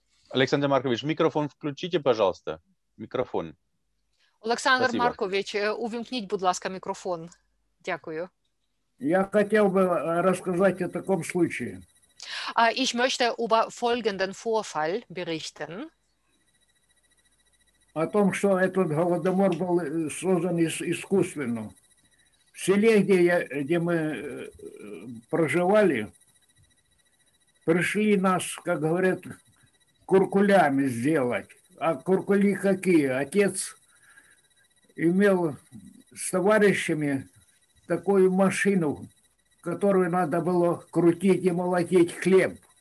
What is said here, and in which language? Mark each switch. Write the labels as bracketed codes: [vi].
[ru] Александр Маркович, микрофон включите, пожалуйста. Микрофон. Александр Спасибо. [uk] Маркович, увімкніть, будь ласка, микрофон. Дякую. [ru] Я хотел бы рассказать о таком случае. [de] Ich möchte über folgenden Vorfall berichten. [ru] О том, что этот Голодомор был создан искусственно. В селе, где мы проживали, пришли нас, как говорят, куркулями сделать. А куркули какие? Отец имел с товарищами такую машину, которую надо было крутить и молотить хлеб.